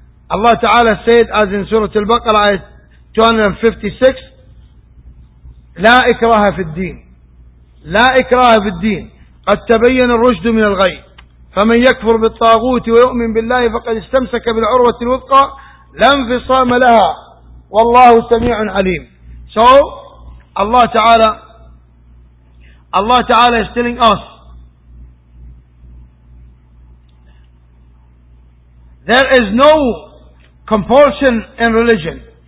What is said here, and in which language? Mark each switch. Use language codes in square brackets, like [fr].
[en] Allah Ta'ala said, as in Surah Al-Baqarah, ayat 256, [ar] لا إكراه في الدين. لا إكراه في الدين. قد تبين الرشد من الغي. فمن يكفر بالطاغوت ويؤمن بالله فقد استمسك بالعروة الوثقى لا انفصام لها والله سميع عليم. [en] So, Allah Ta'ala is telling us, there is no compulsion in religion.